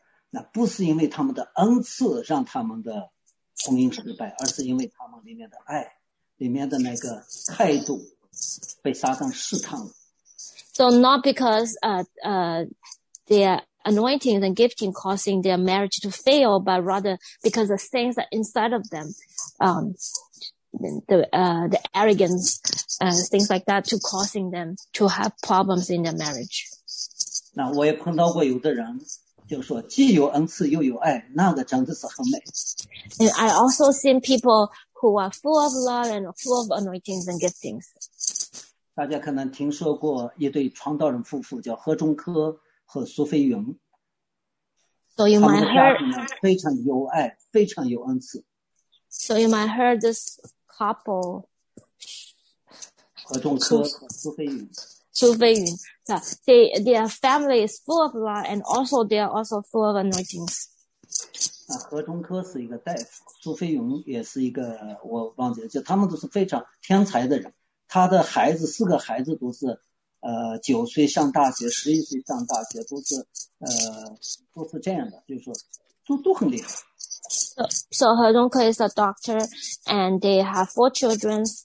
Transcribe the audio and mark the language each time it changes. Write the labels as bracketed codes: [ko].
[zh] 那不是因为他们的恩赐让他们的婚姻失败，而是因为他们里面的爱，里面的那个态度被撒旦试探了。 [en] So not because their anointings and gifting causing their marriage to fail, but rather because the things that inside of them, the arrogance, things like that, to causing them to have problems in their marriage. [zh] 那我也碰到过有的人，就说既有恩赐又有爱，那个真的是很美。 [en] And I also seen people who are full of love and full of anointings and giftings. [zh] 大家可能听说过一对传道人夫妇，叫何中科和苏菲云。 [en] So you might heard. [zh] 他们的家庭非常有爱，非常有恩赐。 [en] So you might heard this couple. [zh] 何中科和苏菲云。 [en] 苏菲云 their family is full of love, and also they are also full of anointings. [zh] 那何中科是一个大夫，苏菲云也是一个，我忘记了，就他们都是非常天才的人。他的孩子四个孩子都是。九岁上大学，十一岁上大学，都是这样的，就是说，都很厉害。 [en] So Ha Zhongke is a doctor, and they have four children.